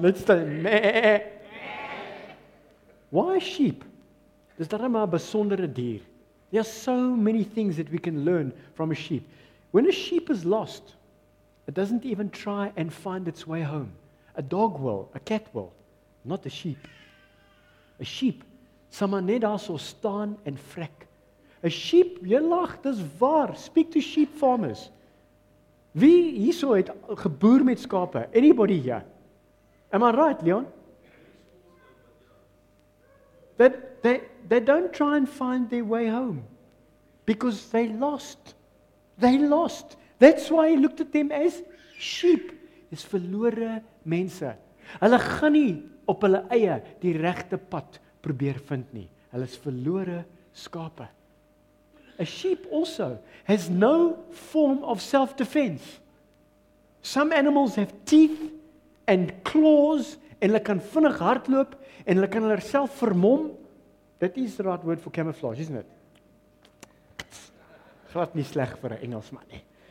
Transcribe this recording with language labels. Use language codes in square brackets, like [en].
[en] Let's say, meh. Why sheep? Is that a [af] besondere dier? [en] There are so many things that we can learn from a sheep. When a sheep is lost, it doesn't even try and find its way home. A dog will, a cat will, not a sheep. [af] 'n sheep sal maar net daar so staan en frek. 'n Sheep, jy lag, dis waar. [en] Speak to sheep farmers. [af] Wie hierso het geboer met skape? [en] Anybody here? Am I right, Leon? They don't try and find their way home because they lost. They lost. That's why he looked at them as sheep. [af] Dis verlore mense. Hulle gaan nie op hulle eie die regte pad probeer vind nie. Hulle is verlore skape. [en] A sheep also has no form of self-defense. Some animals have teeth and claws [af] en hulle kan vinnig hardloop en hulle kan hulself vermom. [en] That is the right word for camouflage, isn't it? [af] Glad nie sleg vir 'n Engelsman nie.